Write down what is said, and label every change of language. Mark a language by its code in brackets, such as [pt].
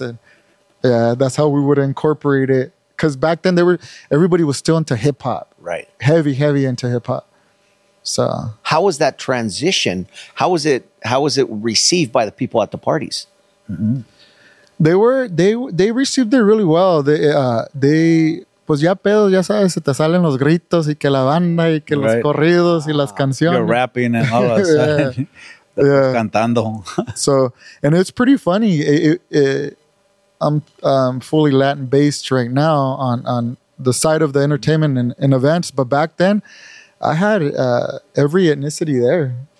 [en] And yeah, that's how we would incorporate it. Because back then, everybody was still into hip-hop. Right. Heavy, heavy into hip-hop. So. How was that transition? How was it received by the people at the parties? Mm-hmm. They received it really well. [es] They pues ya pedo, ya sabes, se te salen los gritos y que la banda y que right. los corridos y las canciones. [en] You're rapping and all of a sudden. Yeah. [es] Cantando. [en] So, and it's pretty funny. I'm fully Latin based right now on the side of the entertainment and events. But back then I had every ethnicity there.